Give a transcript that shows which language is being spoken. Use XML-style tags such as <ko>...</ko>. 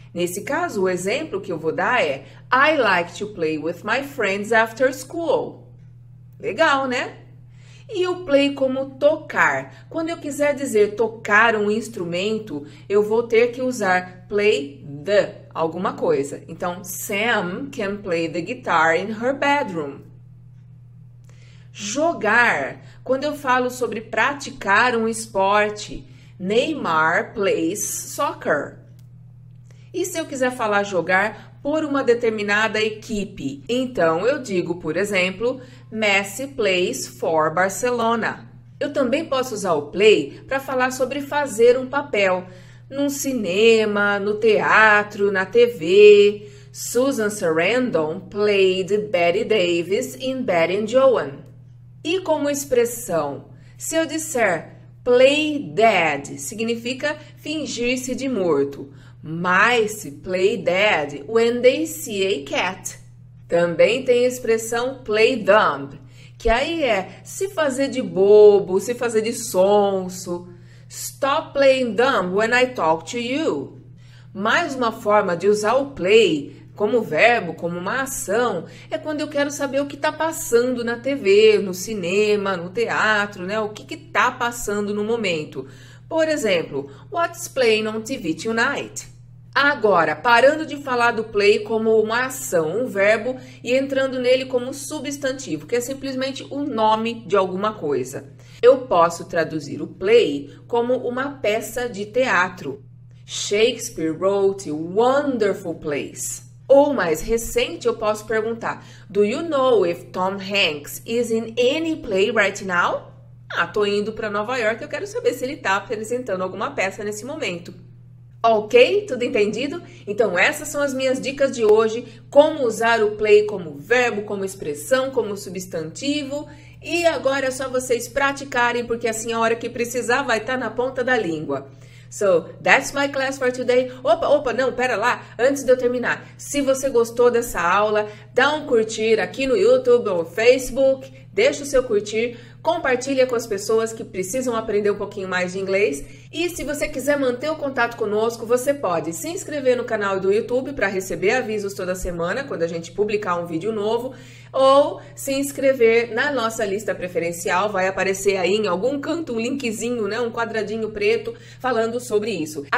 <pt>Nesse caso, o exemplo que eu vou dar é</pt> <en>I like to play with my friends after school.</en> <pt>Legal, né? E o play como tocar. Quando eu quiser dizer tocar um instrumento, eu vou ter que usar play the alguma coisa.</pt> <en>Então, Sam can play the guitar in her bedroom.</en> <pt>Jogar. Quando eu falo sobre praticar um esporte,</pt> <en>Neymar plays soccer.</en> <pt>E se eu quiser falar jogar por uma determinada equipe? Então eu digo, por exemplo,</pt> <en>Messi plays for Barcelona.</en> <pt>Eu também posso usar o play para falar sobre fazer um papel num cinema, no teatro, na TV.</pt> <en>Susan Sarandon played Betty Davis in Betty and Joan.</en> <pt>E como expressão, se eu disser play dead, significa fingir-se de morto.</pt> <en>Mice play dead when they see a cat.</en> <pt>Também tem a expressão play dumb, que aí é se fazer de bobo, se fazer de sonso.</pt> <en>Stop playing dumb when I talk to you.</en> <pt>Mais uma forma de usar o play como verbo, como uma ação, é quando eu quero saber o que está passando na TV, no cinema, no teatro, né? O que que está passando no momento. Por exemplo,</pt> <en>What's playing on TV tonight?</en> <pt>Agora, parando de falar do play como uma ação, um verbo, e entrando nele como substantivo, que é simplesmente o nome de alguma coisa. Eu posso traduzir o play como uma peça de teatro.</pt> <en>Shakespeare wrote wonderful plays.</en> <pt>Ou mais recente, eu posso perguntar:</pt> <en>Do you know if Tom Hanks is in any play right now?</en> <pt>Ah, tô indo para Nova York, eu quero saber se ele está apresentando alguma peça nesse momento. Ok? Tudo entendido? Então, essas são as minhas dicas de hoje: como usar o play como verbo, como expressão, como substantivo. E agora é só vocês praticarem, porque assim a hora que precisar vai estar na ponta da língua.</pt> <en>So, that's my class for today.</en> <pt>Opa, opa, não, pera lá. Antes de eu terminar, se você gostou dessa aula, dá um curtir aqui no YouTube ou Facebook, deixa o seu curtir, compartilha com as pessoas que precisam aprender um pouquinho mais de inglês. E se você quiser manter o contato conosco, você pode se inscrever no canal do YouTube para receber avisos toda semana quando a gente publicar um vídeo novo, ou se inscrever na nossa lista preferencial, vai aparecer aí em algum canto um linkzinho, né, um quadradinho preto falando sobre isso.</pt>